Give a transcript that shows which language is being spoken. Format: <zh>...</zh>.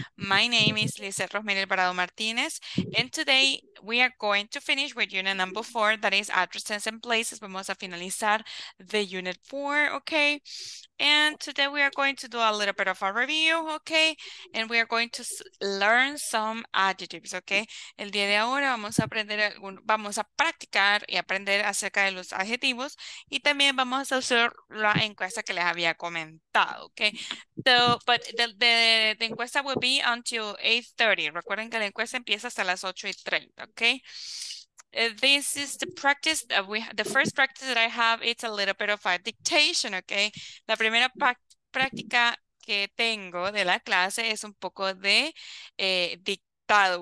<en>My name is Lizeth Rosmery Alvarado Martinez, and today we are going to finish with unit number 4, that is addresses and places.</en> <es>Vamos a finalizar</es> <en>the unit 4, okay? And today we are going to do a little bit of a review, okay? And we are going to s learn some adjectives, okay?</en> <es>El día de ahora vamos a aprender algún, vamos a practicar y aprender acerca de los adjetivos y también vamos a hacer la encuesta que les había comentado,</es> <en>okay? So, but</en> <es>the encuesta</es> <en>will be until 8:30.</en> <es>Recuerden que la encuesta empieza hasta las 8:30,</es> <en>okay? This is the practice that we the first practice that I have. It's a little bit of a dictation, okay?</en> <es>La primera práctica que tengo de la clase es un poco de dictado.</es>